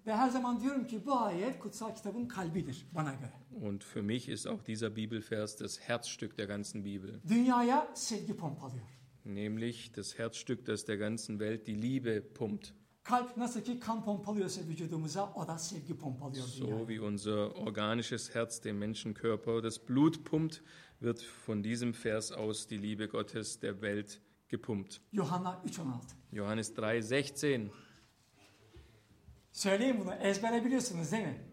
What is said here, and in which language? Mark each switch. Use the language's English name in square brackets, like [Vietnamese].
[Turkish] Ve her zaman diyorum ki bu ayet kutsal kitabın kalbidir bana göre. [German] Und für mich ist auch dieser Bibelvers das Herzstück der ganzen Bibel. [Turkish] Dünyaya sevgi pompalıyor. [German] Nämlich das Herzstück, das der ganzen Welt die Liebe pumpt. [Turkish] Kalp nasıl ki kan pompalıyorsa vücudumuza, o da sevgi pompalıyor. [German] So wie unser organisches Herz dem Menschenkörper das Blut pumpt, wird von diesem Vers aus die Liebe Gottes der Welt gepumpt. Johanna 3:16. Johannes 3:16. [Turkish] Söyleyin bunu, ezbere biliyorsunuz değil mi?